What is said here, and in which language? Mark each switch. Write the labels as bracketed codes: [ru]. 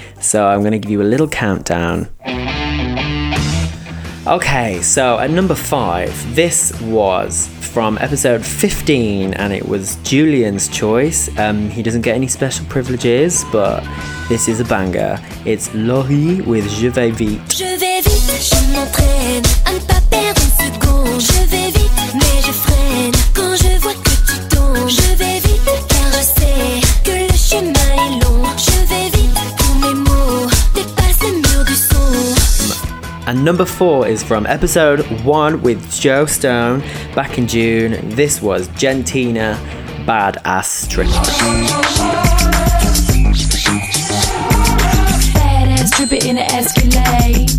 [en] So I'm going to give you a little countdown. Okay, so at number 5, this was from episode 15 and it was Julian's choice. He doesn't get any special privileges, but this is a banger. It's Laurie with Je vais vite. [fr] Je vais vite, je m'entraîne à ne pas perdre une seconde. Je vais vite, mais je freine quand je vois que tu tombes. Je vais vite, car je sais que le chemin est long. Je vais vite, pour mes mots dépassent le mur du son. [en] And number 4 is from episode 1 with Joe Stone back in June. This was Gentina, Badass Stripper. Badass Stripper in an Escalade.